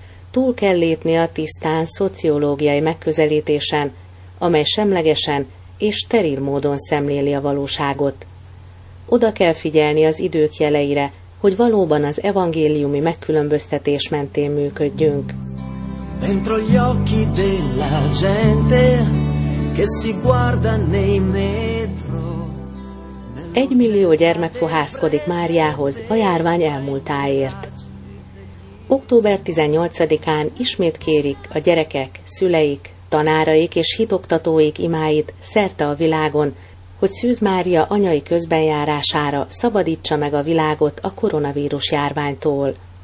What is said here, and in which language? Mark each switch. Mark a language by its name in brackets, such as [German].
[Hungarian] Túl kell lépni a tisztán szociológiai megközelítésen, amely semlegesen és steril módon szemléli a valóságot. Oda kell figyelni az idők jeleire, hogy valóban az evangéliumi megkülönböztetés mentén működjünk. [Italian] Dentro gli occhi della gente che si guarda nei metro. [Hungarian] 1 millió gyermek fohászkodik Máriához a járvány elmúltáért. Október 18-án ismét kérik a gyerekek, szüleik, tanáraik és hitoktatóik imáit szerte a világon, hogy Szűz Mária anyai közbenjárására szabadítsa meg a világot a koronavírus járványtól.